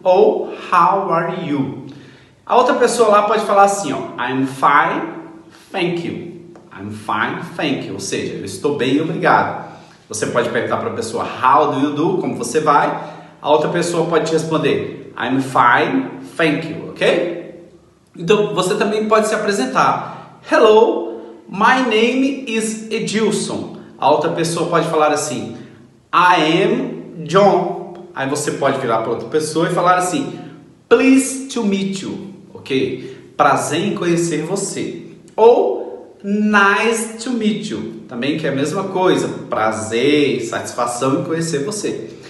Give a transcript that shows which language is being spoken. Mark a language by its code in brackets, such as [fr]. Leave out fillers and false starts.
[pt] Ou [en] how are you? [pt] A outra pessoa lá pode falar assim, ó, [en] I'm fine, thank you. I'm fine, thank you. [pt] Ou seja, eu estou bem, obrigado. Você pode perguntar para a pessoa, [en] how do you do? [pt] Como você vai? A outra pessoa pode te responder, [en] I'm fine, thank you, [pt] ok? Então, você também pode se apresentar. [en] Hello, my name is Edilson. [pt] A outra pessoa pode falar assim, [en] I am John. [pt] Aí você pode virar para outra pessoa e falar assim, [en] please to meet you, [pt] ok? Prazer em conhecer você. Ou, [en] nice to meet you, [pt] também que é a mesma coisa, prazer, satisfação em conhecer você.